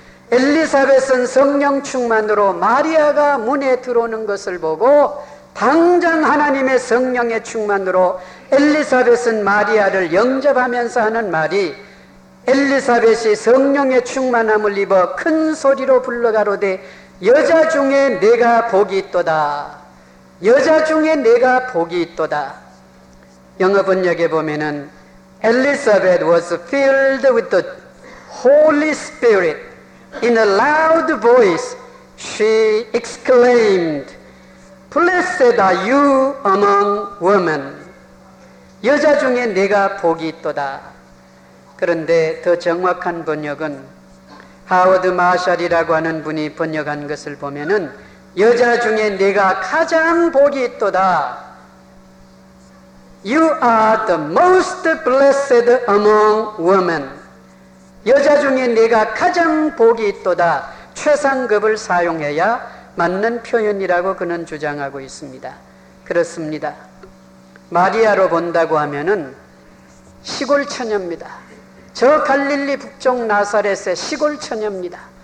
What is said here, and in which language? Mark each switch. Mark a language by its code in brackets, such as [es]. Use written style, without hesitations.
[ko] 엘리사벳은 성령 충만으로 마리아가 문에 들어오는 것을 보고 당장 하나님의 성령의 충만으로 엘리사벳은 마리아를 영접하면서 하는 말이 엘리사벳이 성령의 충만함을 입어 큰 소리로 불러가로되 여자 중에 내가 복이 있도다. 여자 중에 내가 복이 있도다. 영어 번역에 보면은 [en] Elizabeth was filled with the Holy Spirit. In a loud voice, she exclaimed, Blessed are you among women. [ko] 여자 중에 내가 복이 있도다. 그런데 더 정확한 번역은 하워드 마샬이라고 하는 분이 번역한 것을 보면은 여자 중에 네가 가장 복이 있도다. [en] You are the most blessed among women. [ko] 여자 중에 네가 가장 복이 있도다. 최상급을 사용해야 맞는 표현이라고 그는 주장하고 있습니다. 그렇습니다. 마리아로 본다고 하면은 시골 처녀입니다. 저 갈릴리 북쪽 나사렛의 시골 처녀입니다.